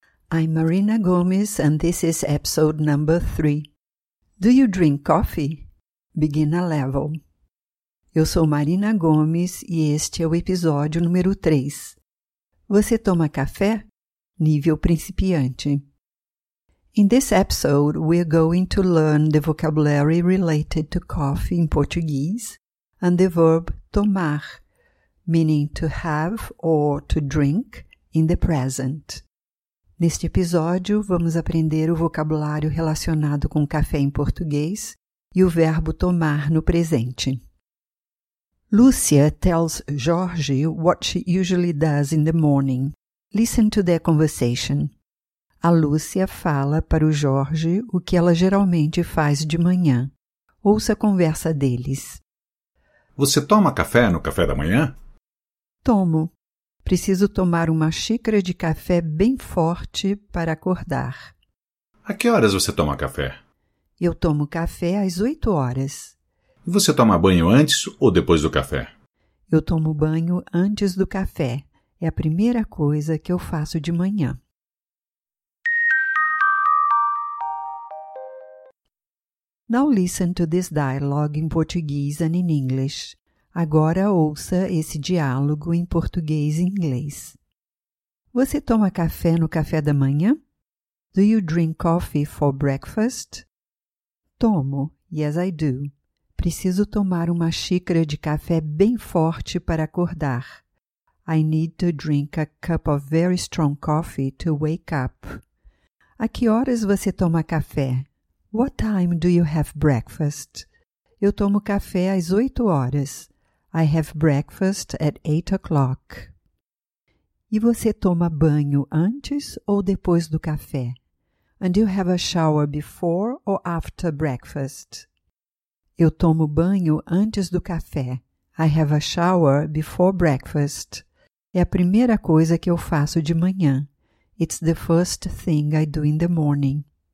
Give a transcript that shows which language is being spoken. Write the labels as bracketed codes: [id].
[en] I'm Marina Gomes and this is episode number 3. Do you drink coffee? Beginner level. [pt] Eu sou Marina Gomes e este é o episódio número 3. Você toma café? Nível principiante. [en] In this episode, we're going to learn the vocabulary related to coffee in Portuguese and the verb tomar, meaning to have or to drink in the present. [pt] Neste episódio, vamos aprender o vocabulário relacionado com café em português e o verbo tomar no presente. [en] Lúcia tells Jorge what she usually does in the morning. Listen to their conversation. [pt] A Lúcia fala para o Jorge o que ela geralmente faz de manhã. Ouça a conversa deles. Você toma café no café da manhã? Tomo. Preciso tomar uma xícara de café bem forte para acordar. A que horas você toma café? Eu tomo café às 8 horas. E você toma banho antes ou depois do café? Eu tomo banho antes do café. É a primeira coisa que eu faço de manhã. [en] Now listen to this dialogue in Portuguese and in English. [pt] Agora ouça esse diálogo em português e inglês. Você toma café no café da manhã? [en] Do you drink coffee for breakfast? [pt] Tomo. [en] Yes, I do. [pt] Preciso tomar uma xícara de café bem forte para acordar. [en] I need to drink a cup of very strong coffee to wake up. [pt] A que horas você toma café? [en] What time do you have breakfast? [pt] Eu tomo café às 8 horas. [en] I have breakfast at 8 o'clock. [pt] E você toma banho antes ou depois do café? [en] And you have a shower before or after breakfast? [pt] Eu tomo banho antes do café. [en] I have a shower before breakfast. [pt] É a primeira coisa que eu faço de manhã. [en] It's the first thing I do in the morning.